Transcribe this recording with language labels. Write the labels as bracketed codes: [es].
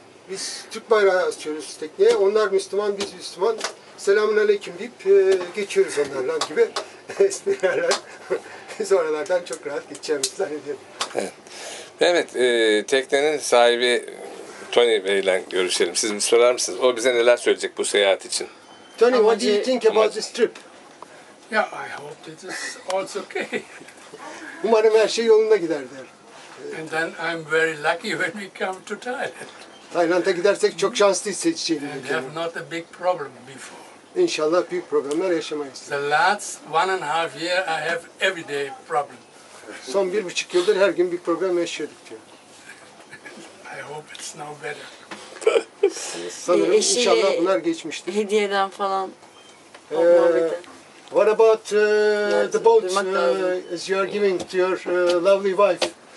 [tr] Biz Türk bayrağı asıyoruz tekneye. Onlar Müslüman, biz Müslüman. Selamun aleyküm deyip geçiyoruz onlarla gibi esprilerden. Biz oralardan çok rahat gideceğimizi zannediyorum. Evet, teknenin sahibi Tony Bey ile görüşelim. Siz mi sorar mısınız? O bize neler söyleyecek bu seyahat için? [en] Tony, what do you think about this trip? Yeah, I hope it is also okay. [tr] Umarım her şey yolunda gider der. [en] And then I'm very lucky when we come to Thailand. [tr] Tayland'a gidersek çok şanslı hissedeceğim. [en] And have not a big problem before. [tr] İnşallah büyük problemler yaşamayız. [en] The last one and a half year I have every day problem. [tr] Son bir buçuk yıldır her gün büyük problem yaşıyorduk diyor. [en] I hope it's now better. [tr] Sanırım inşallah bunlar geçmiştir. Hediyeden falan. [en] What about the boat as you are giving to your lovely wife?